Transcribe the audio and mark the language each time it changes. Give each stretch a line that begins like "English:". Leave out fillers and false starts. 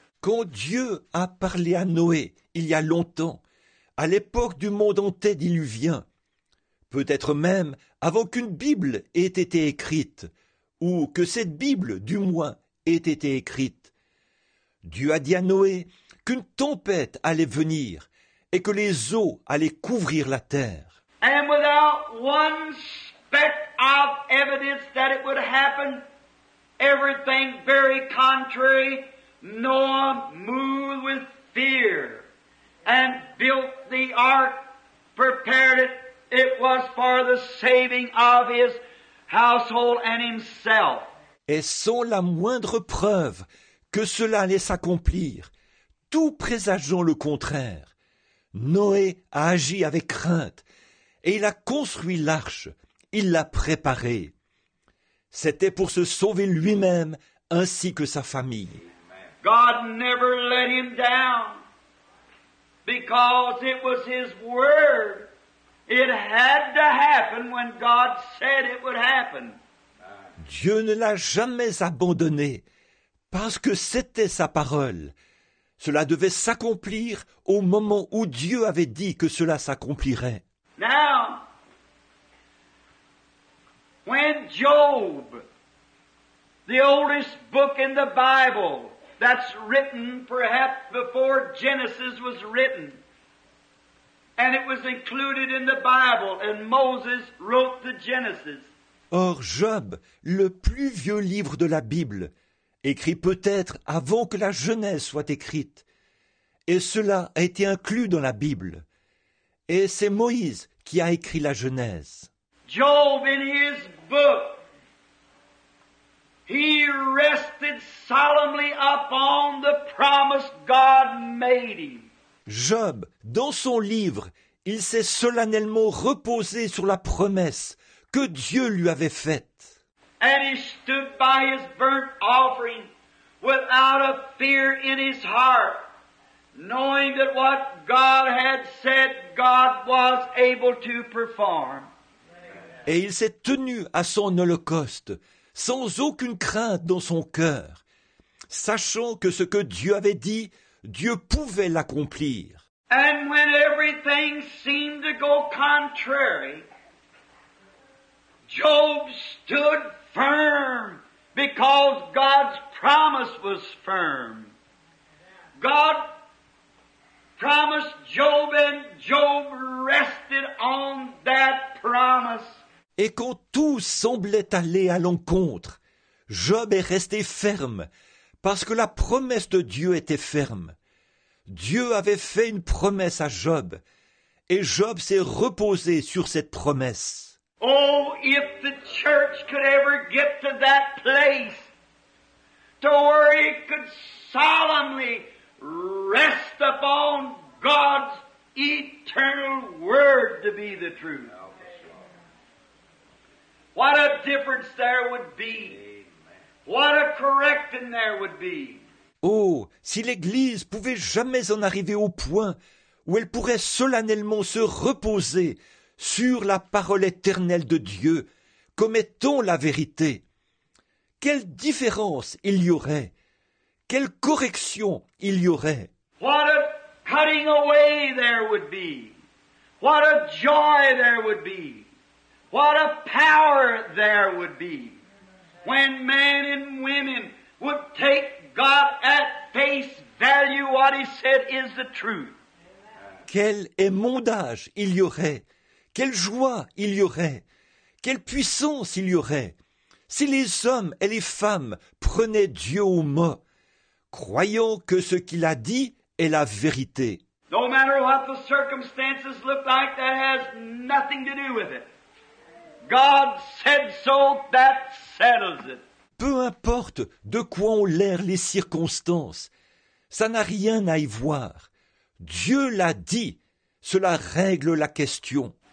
French: Quand Dieu a parlé à Noé il y a longtemps, à l'époque du monde antédiluvien, peut-être même avant qu'une Bible ait été écrite, ou que cette Bible, du moins, ait été écrite, Dieu a dit à Noé qu'une tempête allait venir et que les eaux allaient couvrir la terre.
English: And without one speck of evidence that it would happen, everything very contrary, Noah moved with fear and built the ark, prepared it. It was for the saving of his household and himself.
French: Et sans la moindre preuve que cela allait s'accomplir, tout présageant le contraire, Noé a agi avec crainte et il a construit l'arche, il l'a préparée. C'était pour se sauver lui-même ainsi que sa famille.
English: God never let him down because it was his word. It had to happen when God said it would happen.
French: Dieu ne l'a jamais abandonné parce que c'était sa parole. Cela devait s'accomplir au moment où Dieu avait dit que cela s'accomplirait.
English: Now, when Job, the oldest book in the Bible, that's written perhaps before Genesis was written, and it was included in the Bible, and Moses wrote the Genesis.
French: Or, Job, le plus vieux livre de la Bible, écrit peut-être avant que la Genèse soit écrite, et cela a été inclus dans la Bible. Et c'est Moïse qui a écrit la Genèse.
English: Job, in his book, he rested solemnly upon the promise God made him.
French: Job, dans son livre, il s'est solennellement reposé sur la promesse que Dieu lui avait faite.
English: And he stood by his burnt offering without a fear in his heart, knowing that what God had said, God was able to perform.
French: Et il s'est tenu à son holocauste, sans aucune crainte dans son cœur, sachant que ce que Dieu avait dit, Dieu pouvait l'accomplir.
English: And when everything seemed to go contrary, Job stood firm because God's promise was firm. God promised Job and Job rested on that promise.
French: Et quand tout semblait aller à l'encontre, Job est resté ferme parce que la promesse de Dieu était ferme. Dieu avait fait une promesse à Job et Job s'est reposé sur cette promesse.
English: if the church could ever get to that place to where it could solemnly rest upon God's eternal word to be the truth. What a difference there would be. What a correcting there would be.
French: Oh, si l'Église pouvait jamais en arriver au point où elle pourrait solennellement se reposer sur la parole éternelle de Dieu, comme étant la vérité, quelle différence il y aurait, quelle correction il y aurait.
English: What a cutting away there would be. What a joy there would be. What a power there would be when men and women would take God at face value what he said is the truth.
French: Quel émondage il y aurait, quelle joie il y aurait, quelle puissance il y aurait si les hommes et les femmes prenaient Dieu au mot, croyant que ce qu'il a dit est la vérité.
English: No matter what the circumstances look like, that has nothing to do with it. God said so, that settles it.
French: Peu importe de quoi ont l'air les circonstances, ça n'a rien à y voir. Dieu l'a dit, cela règle la question.